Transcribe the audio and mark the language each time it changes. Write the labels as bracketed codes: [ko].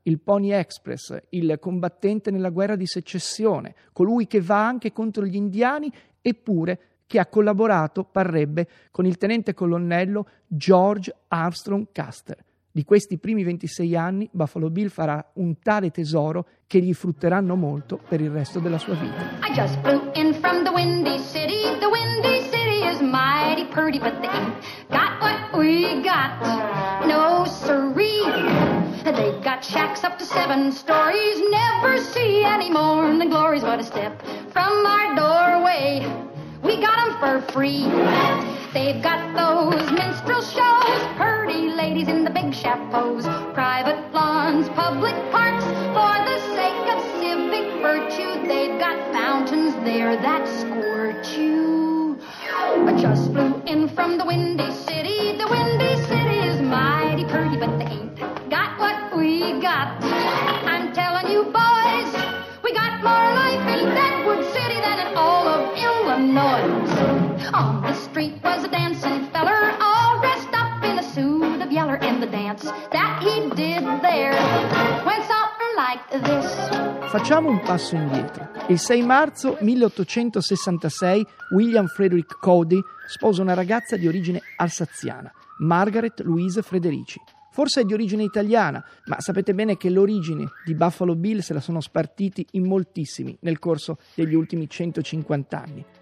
[it] Il Pony Express, il combattente nella guerra di secessione, colui che va anche contro gli indiani, eppure che ha collaborato, parrebbe, con il tenente colonnello George Armstrong Custer. Di questi primi 26 anni Buffalo Bill farà un tale tesoro che gli frutteranno molto per il resto della sua vita. [en] I just blew in from the windy city. The windy city is mighty pretty, but they ain't got what we got. No siree. They got shacks up to seven stories. Never see any more than glories. But a step from our doorway, we got them for free. They've got those minstrel shows, pretty ladies in the big chapeaus, private lawns, public parks, for the sake of civic virtue. They've got fountains there that squirt you. I just flew in from the windy city. The windy city is mighty pretty, but they ain't got what we got. I'm telling you, boys, we got more life in Deadwood City than in all of Illinois. On the street was a dancing feller, all dressed up in a suit of yeller, and the dance that he did there went something like this. [it] Facciamo un passo indietro. Il 6 marzo 1866 William Frederick Cody sposa una ragazza di origine alsaziana, Margaret Louise Frederici. Forse è di origine italiana, ma sapete bene che l'origine di Buffalo Bill se la sono spartiti in moltissimi nel corso degli ultimi 150 anni.